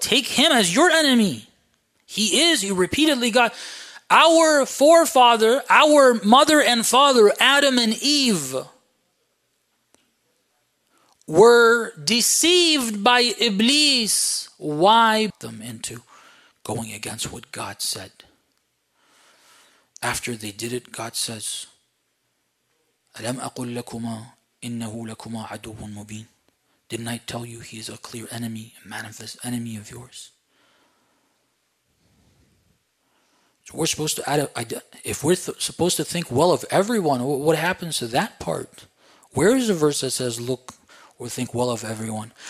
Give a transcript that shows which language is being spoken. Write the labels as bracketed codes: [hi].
[en] Take him as your enemy. He repeatedly got, our forefather, our mother and father, Adam and Eve, were deceived by Iblis. Why? Them into going against what God said. After they did it, God says, [ar] أَلَمْ أَقُلْ لَكُمَا إِنَّهُ لَكُمَا عَدُوٌ مُبِينٌ. [en] Didn't I tell you he is a clear enemy, a manifest enemy of yours? So we're supposed to add, if we're supposed to think well of everyone, what happens to that part? Where is the verse that says look or think well of everyone?